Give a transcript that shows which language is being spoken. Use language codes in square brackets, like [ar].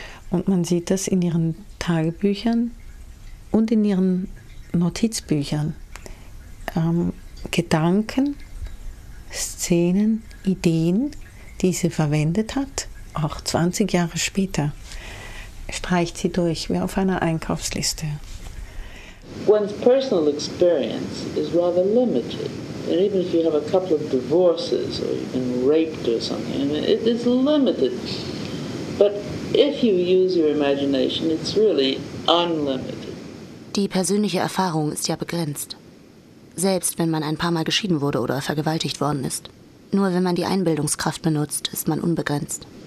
[de] Und man sieht das in ihren Tagebüchern und in ihren Notizbüchern. Gedanken, Szenen, Ideen, die sie verwendet hat, auch 20 Jahre später, streicht sie durch wie auf einer Einkaufsliste. [en] One's personal experience is rather limited. And even if you have a couple of divorces or you've been raped or something, I mean, it is limited. But if you use your imagination, it's really unlimited. [de] Die persönliche Erfahrung ist ja begrenzt. Selbst wenn man ein paar Mal geschieden wurde oder vergewaltigt worden ist. Nur wenn man die Einbildungskraft benutzt, ist man unbegrenzt.